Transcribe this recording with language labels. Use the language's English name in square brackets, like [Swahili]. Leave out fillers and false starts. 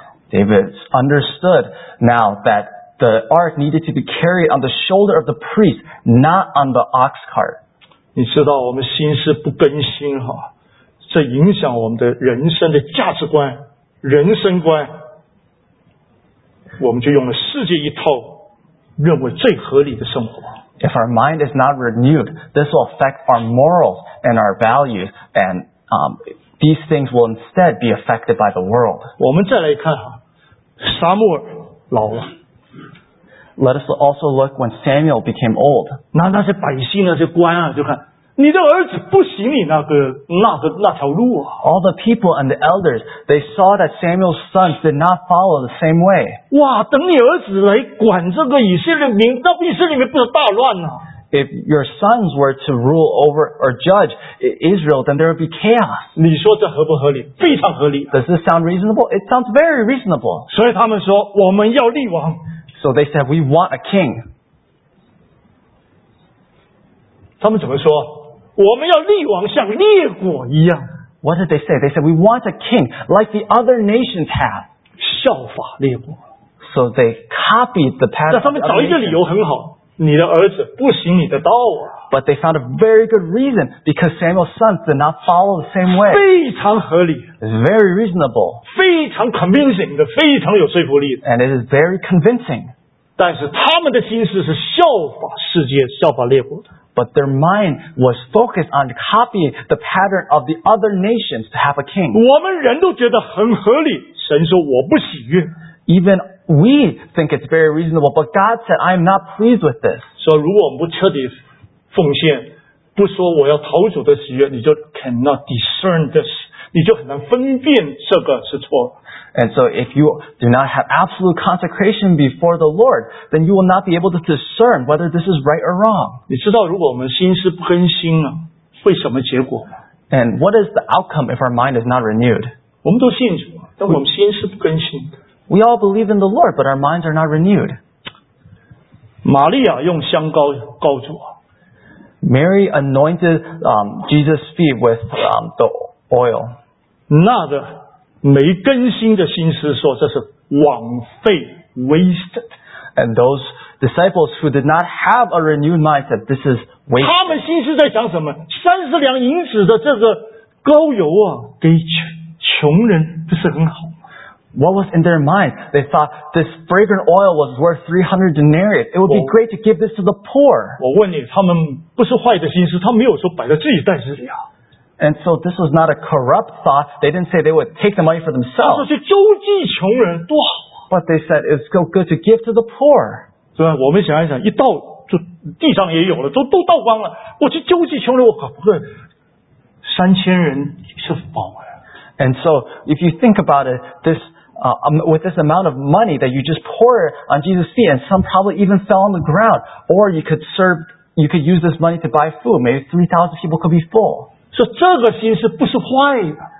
[English] David understood now that the ark needed to be carried on the shoulder of the priest, not on the ox cart. [Chinese] 你知道我们心思不更新, 这影响我们的人生的价值观, 人生观, 我们就用了世界一套, 认为最合理的生活。 [English] If our mind is not renewed, this will affect our morals and our values, and these things will instead be affected by the world. [Chinese] 我们再来看, 撒母耳老了。 [English] Let us also look when Samuel became old. [Chinese] 那些百姓那些官啊就看, 你的儿子不行你那个那条路啊。 [English] All the people and the elders, they saw that Samuel's sons did not follow the same way. [Chinese] 哇,等你儿子来管这个以色列民,那以色列民不是大乱啊。 [English] If your sons were to rule over or judge Israel, then there would be chaos. [Chinese] 你说这合不合理?非常合理。 [English] Does this sound reasonable? It sounds very reasonable. [Chinese] 所以他们说, 我们要立王。 [English] So they said, we want a king. [Chinese] 他们怎么说? 我们要立王像列国一样。 [English] What did they say? They said, we want a king like the other nations have. [Chinese] 效法列国。 [English] So they copied the pattern. [Chinese] 那他们找一个理由很好。你的儿子不行你的道啊。 [English] But they found a very good reason because Samuel's sons did not follow the same way. [Chinese] 非常合理。 [English] Very reasonable. [Chinese] 非常 [English] convincing [Chinese] 的, 非常有说服力的。 [English] And it is very convincing. [Chinese] 但是他们的心思是效法世界, 效法列国的。 [English] But their mind was focused on copying the pattern of the other nations to have a king. [Chinese] 我们人都觉得很合理, 神说我不喜悦。 [English] Even we think it's very reasonable, but God said, I am not pleased with this. [Chinese] 所以如果我们不彻底奉献, 不说我要逃主的喜悦, 你就 [English] cannot discern this. [Chinese] 你就很难分辨这个是错的。 [English] And so if you do not have absolute consecration before the Lord, then you will not be able to discern whether this is right or wrong. [Chinese] 你知道如果我们心思不更新了, 会什么结果吗? [English] And what is the outcome if our mind is not renewed? [Chinese] 我们都信主, 但我们心思不更新。 [English] We all believe in the Lord, but our minds are not renewed. [Chinese] 玛利亚用香膏膏主, [English] Mary anointed Jesus' feet with the oil. [Chinese] 那个, 没更新的心思说这是枉费, [English] wasted. And those disciples who did not have a renewed mind said, this is wasted. [Chinese] 他们心思在想什么? 30两银子的这个膏油啊, 给穷人不是很好。 [English] What was in their mind? They thought this fragrant oil was worth 300 denarii. It would be great to give this to the poor. [Chinese] 我问你, 他们不是坏的心思, 他们没有说摆在自己袋子里啊。 [English] And so this was not a corrupt thought. They didn't say they would take the money for themselves. [Chinese] 他说是周济穷人, [English] but they said it's so good to give to the poor. [Chinese] 我们想一想, 一到, 就, 地上也有了, 都, 都倒光了, 我去周济穷人, 我可不可, 三千人是否, [English] and so if you think about it, this with this amount of money that you just pour on Jesus' feet, and some probably even fell on the ground, or you could serve, you could use this money to buy food. Maybe 3,000 people could be full. [Chinese] 所以这个心是不是坏的?